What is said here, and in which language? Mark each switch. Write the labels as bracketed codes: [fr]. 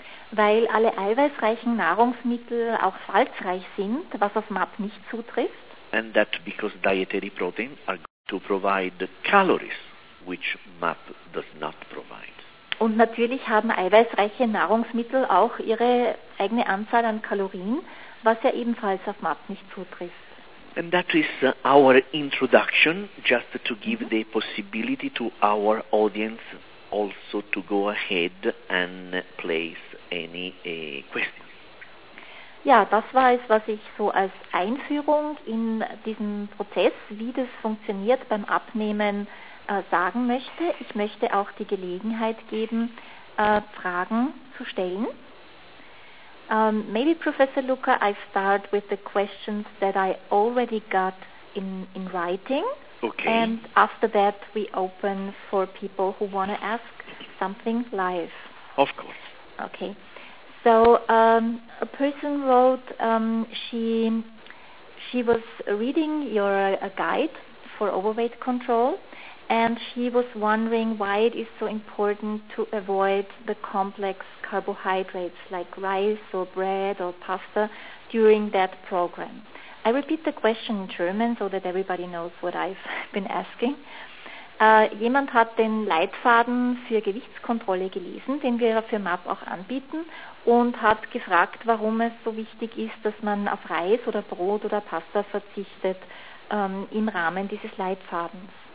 [de] Weil alle eiweißreichen Nahrungsmittel auch salzreich sind, was auf MAP nicht zutrifft. [en] And that because dietary proteins are going to provide calories, which MAP does not provide. [de] Und natürlich haben eiweißreiche Nahrungsmittel auch ihre eigene Anzahl an Kalorien, was ja ebenfalls auf MAP nicht zutrifft. [en] And that is our introduction, just to give the possibility to our audience also to go ahead and place any questions. [de] Ja, das war es, was ich so als Einführung in diesen Prozess, wie das funktioniert beim Abnehmen, sagen möchte. Ich möchte auch die Gelegenheit geben, Fragen zu stellen. [en] Maybe, Professor Luca, I start with the questions that I already got in writing. Okay. And after that, we open for people who want to ask something live. Of course. Okay. So, a person wrote, she was reading your guide for overweight control, and she was wondering why it is so important to avoid the complex carbohydrates like rice or bread or pasta during that program. I repeat the question in German so that everybody knows what I've been asking. [de] Jemand hat den Leitfaden für Gewichtskontrolle gelesen, den wir für MAP auch anbieten, und hat gefragt, warum es so wichtig ist, dass man auf Reis oder Brot oder Pasta verzichtet im Rahmen dieses Leitfadens.